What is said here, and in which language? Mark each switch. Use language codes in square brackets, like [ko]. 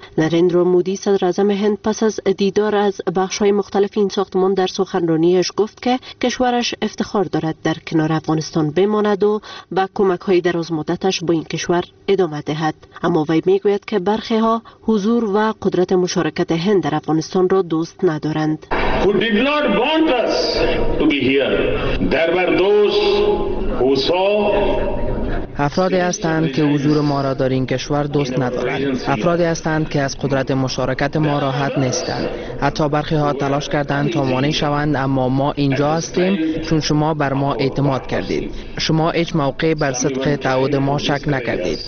[fa] نریندرا مودی صدر اعظم هند پس از دیدار از بخش‌های مختلف این ساختمان در سخنرانیش گفت که کشورش افتخار دارد در کنار افغانستان بماند و با کمک‌های درازمدتش با این کشور ادامه دهد. اما وی می‌گوید که برخی ها حضور و قدرت مشارکت هند در افغانستان را دوست ندارند. [en] Who did not want us to be here? There were those who saw. [fa] افرادی هستند که حضور ما را در این کشور دوست ندارند. افرادی هستند که از قدرت مشارکت ما راحت نیستند. حتی برخی ها تلاش کردند تا مانع شوند، اما ما اینجا هستیم چون شما بر ما اعتماد کردید. شما هیچ موقع بر صدق تعهد ما شک نکردید.